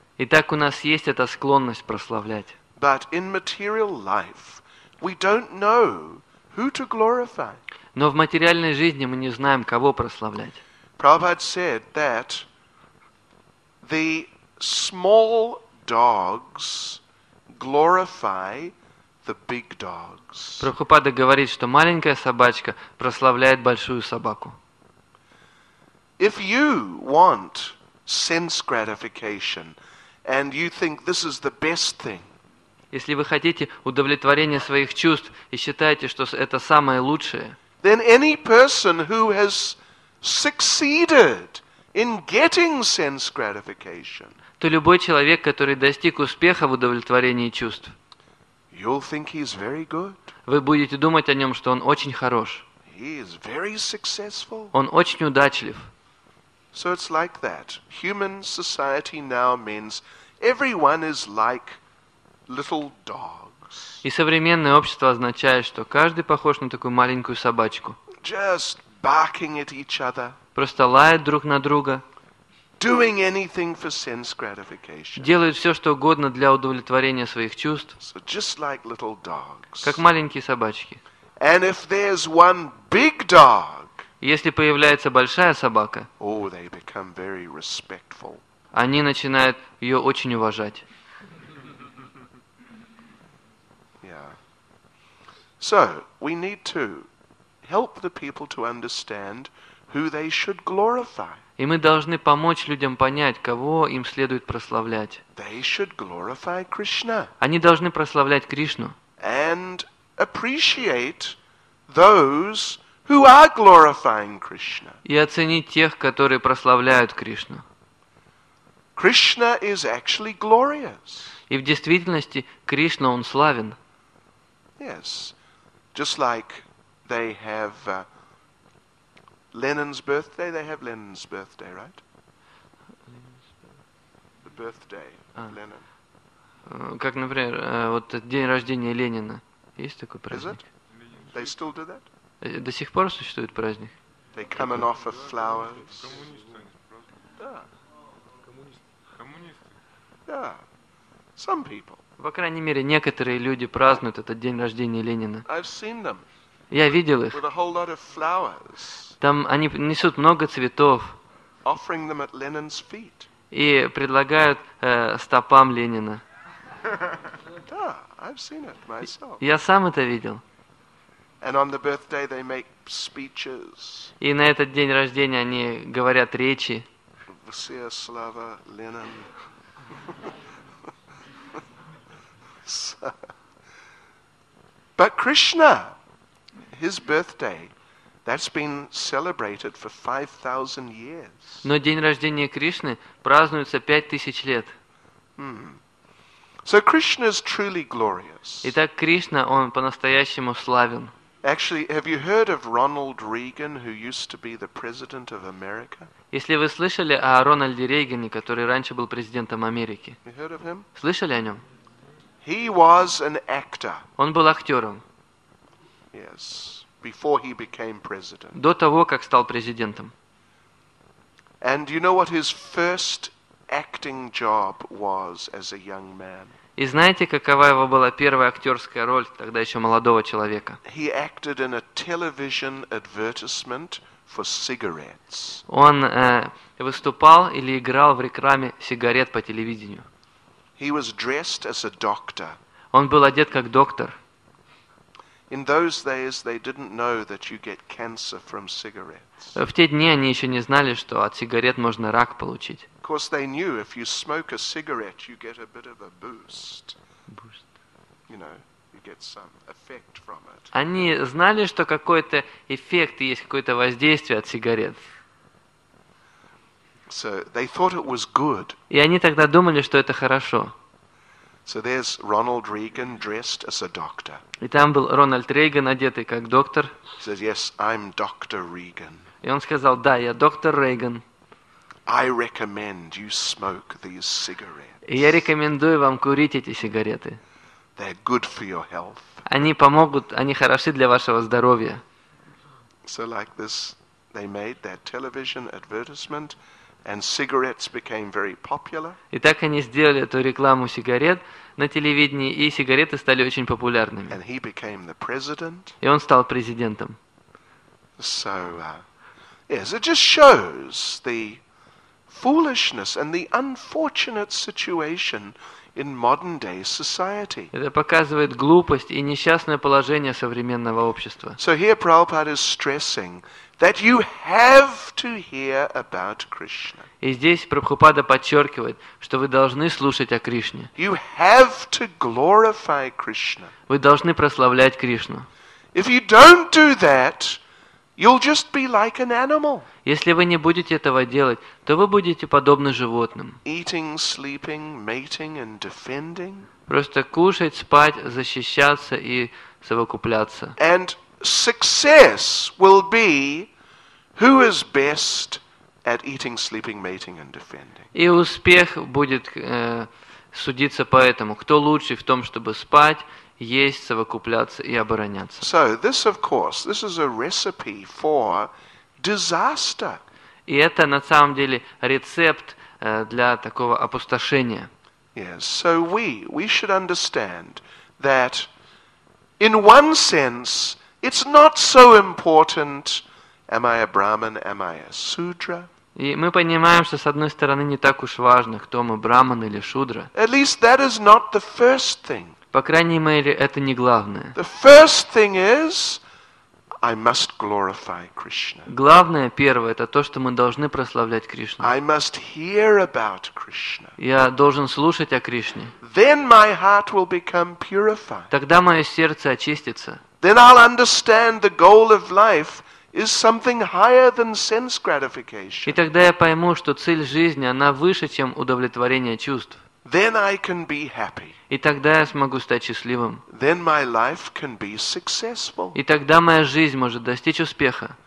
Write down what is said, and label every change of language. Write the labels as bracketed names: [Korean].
[Russian] Итак, у нас есть эта склонность прославлять. [English] But in material life, we don't know who to glorify. [Russian] Но в материальной жизни мы не знаем, кого прославлять. [English] Prabhupada said that the small dogs glorify the big dogs. [Russian] Прабхупада говорит, что маленькая собачка прославляет большую собаку. [English] If you want sense gratification and you think this is the best thing. [Russian] Если вы хотите удовлетворения своих чувств и считаете, что это самое лучшее. [English] Then any person who has succeeded in getting sense gratification. [Russian] То любой человек, который достиг успеха в удовлетворении чувств. [English] You'll think he's very good. [Russian] Вы будете думать о нем, что он очень хорош. [English] He is very successful. [Russian] Он очень удачлив. [English] So it's like that. Human society now means everyone is like little dogs. [Russian] И современное общество означает, что каждый похож на такую маленькую собачку. [English] Just barking at each other. [Russian] Просто лают друг на друга. [English] Doing anything for sense gratification. [Russian] Делают все, что угодно для удовлетворения своих чувств. [English] So just like little dogs. [Russian] Как маленькие собачки. [English] And if there's one big dog. [Russian] Если появляется большая собака, [English] oh, they become very respectful. [Russian] Они начинают ее очень уважать. [English] Yeah. So, we need to help the people to understand who they should glorify. [Russian] И мы должны помочь людям понять, кого им следует прославлять. [English] They should glorify Krishna. [Russian] Они должны прославлять Кришну. [English] And appreciate those who are glorifying Krishna. [Russian] И оценить тех, которые прославляют Кришну. [English] Krishna is actually glorious. [Russian] И в действительности Кришна, он славен. [English] Yes. Just like they have Lenin's birthday, they have Lenin's birthday, right? The birthday of Lenin. [Russian] Как, например, вот день рождения Ленина. Есть такой праздник? [English] Is it? They still do that? [Russian] До сих пор существует праздник. [English] They come and offer flowers. Yeah. Some people. [Russian] По крайней мере, некоторые люди празднуют этот день рождения Ленина. [English] I've seen them. [Russian] Я видел их. [English] With a whole lot of flowers. [Russian] Там они несут много цветов. [English] Offering them at Lenin's feet. [Russian] И предлагают стопам Ленина. [English] Yeah, I've seen it myself. [Russian] Я сам это видел. [English] And on the birthday they make speeches. [Russian] И на этот день рождения они говорят речи. Всея слава Ленин. [English] But Krishna, his birthday, that's been celebrated for 5,000 years. [Russian] Но день рождения Кришны празднуется 5000 лет. [English] So Krishna is truly glorious. [Russian] Итак, Кришна, он по-настоящему славен. [English] Actually, have you heard of Ronald Reagan, who used to be the president of America? [Russian] Если вы слышали о Рональде Рейгане, который раньше был президентом Америки? [English] You heard of him? [Russian] Слышали о нем? [English] He was an actor. [Russian] Он был актером. [English] Yes, before he became president. [Russian] До того, как стал президентом. [English] And you know what his first acting job was as a young man? [Russian] И знаете, какова его была первая актерская роль тогда еще молодого человека? [English] He acted in a television advertisement for cigarettes. [Russian] Он выступал или играл в рекламе сигарет по телевидению. [English] He was dressed as a doctor. [Russian] Он был одет как доктор. [English] In those days, they didn't know that you get cancer from cigarettes. [Russian] В те дни они еще не знали, что от сигарет можно рак получить. [English] Of course, they knew if you smoke a cigarette, you get a bit of a boost. Boost. You know, you get some effect from it. [Russian] Они знали, что какой-то эффект есть, какое-то воздействие от сигарет. [English] So they thought it was good. [Russian] И они тогда думали, что это хорошо. [English] So there's Ronald Reagan dressed as a doctor. [Russian] И там был Рональд Рейган, одетый как доктор. [English] He says, "Yes, I'm Dr. Reagan." [Russian] И он сказал: "Да, я доктор Рейган." [English] I recommend you smoke these cigarettes. [Russian] И я рекомендую вам курить эти сигареты. [English] They're good for your health. [Russian] Они помогут, они хороши для вашего здоровья. [English] So like this, they made that television advertisement. And cigarettes became very popular. [Russian] И так они сделали эту рекламу сигарет на телевидении, и сигареты стали очень популярными. [English] And he became the president. [Russian] И он стал президентом. [English] So, yes, it just shows the foolishness and the unfortunate situation in modern day society. [Russian] Это показывает глупость и несчастное положение современного общества. [English] So here Prabhupada is stressing that you have to hear about Krishna. [Russian] И здесь Прабхупада подчеркивает, что вы должны слушать о Кришне. [English] You have to glorify Krishna. [Russian] Вы должны прославлять Кришну. [English] If you don't do that, you'll just be like an animal. [Russian] Если вы не будете этого делать, то вы будете подобны животным. [English] Eating, sleeping, mating and defending. [Russian] Просто кушать, спать, защищаться и совокупляться. [English] And success will be who is best at eating, sleeping, mating and defending. [Russian] И успех будет судиться по этому, кто лучше в том, чтобы спать, есть, совокупляться и обороняться. [English] So this, of course, this is a recipe for disaster. [Russian] И это на самом деле рецепт для такого опустошения. [English] Yes. So we should understand that in one sense it's not so important, am I a Brahman, am I a Sudra? [Russian] И мы понимаем, что с одной стороны не так уж важно, кто мы, Браман или Шудра. [English] At least that is not the first thing. [Russian] По крайней мере, это не главное. [English] The first thing is I must glorify Krishna. [Russian] Главное первое это то, что мы должны прославлять Кришну. [English] I must hear about Krishna. [Russian] Я должен слушать о Кришне. [English] Then my heart will become purified. [Russian] Тогда моё сердце очистится. [English] Then I'll understand the goal of life is something higher than sense gratification. [Russian] И тогда я пойму, что цель жизни она выше, чем удовлетворение чувств. [English] Then I can be happy. [Russian] И тогда я смогу стать счастливым. [English] Then my life can be successful. [Russian] И тогда моя жизнь может достичь успеха.